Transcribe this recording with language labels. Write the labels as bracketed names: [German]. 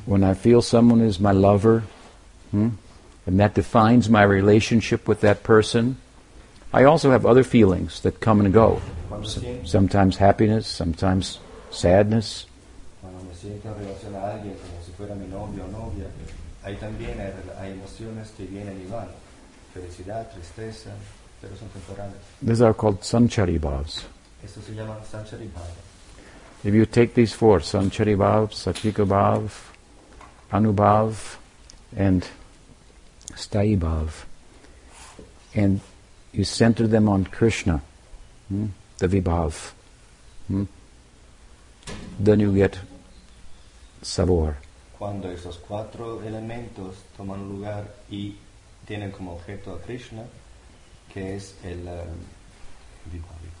[English] When I feel someone is my lover, and that defines my relationship with that person, I also have other feelings that come and go. Sometimes happiness, sometimes sadness. [Spanish] Cuando me siento en relación a alguien como si fuera mi novio o novia, ahí también hay emociones que vienen y van. Felicidad, tristeza, pero son temporales. [English] These are called sanchari bhavas. [Spanish] Estos se llaman sanchari bhavas. [English] If you take these four, Sanchari Bhav, Satvika Bhav, Anubhav, and Stayi Bhav, and you center them on Krishna, the Vibhav, then you get sabor. [Spanish] Cuando esos cuatro elementos toman lugar y tienen como objeto a Krishna, que es el Vibhav,